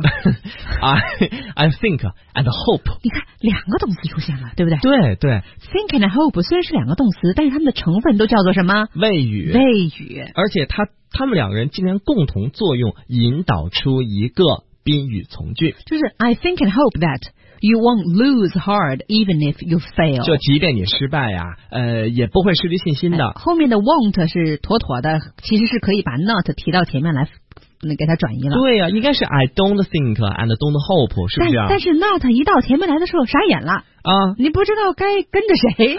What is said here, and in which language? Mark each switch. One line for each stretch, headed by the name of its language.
English: I think and hope，
Chinese: 你看两个动词出现了，对不对？对对，
English: think and hope
Chinese: 虽然是两个动词，但是它们的成分都叫做什么？谓语，而且他们两个人竟然共同作用引导出一个宾语从句，就
English: 是 I think and hope that you won't lose heart even if you fail，
Chinese: 就即便你失败啊，也不会失去信心的。后面的 won't 是妥妥的，其实是可以把 not 提到前面来那给它转移了。对呀、啊，应该是
English: I don't think and don't hope，
Chinese: 是不是、啊？但是 not 一到前面来的时候傻眼了啊，你不知道该跟着谁。